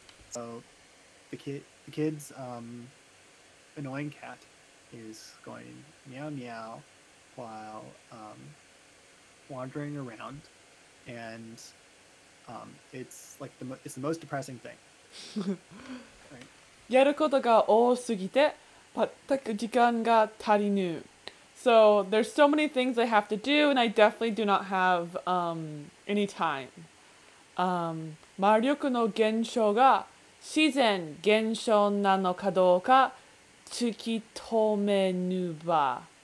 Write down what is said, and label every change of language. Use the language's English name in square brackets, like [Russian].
[English] So the kid's annoying cat is going meow meow while wandering around, and it's the most depressing thing. Right. [Japanese] やることが多すぎて全く時間が足りぬ。 [English] So there's so many things I have to do, and I definitely do not have any time. [Japanese] 魔力の減少が自然減少なのかどうか突き止めぬば。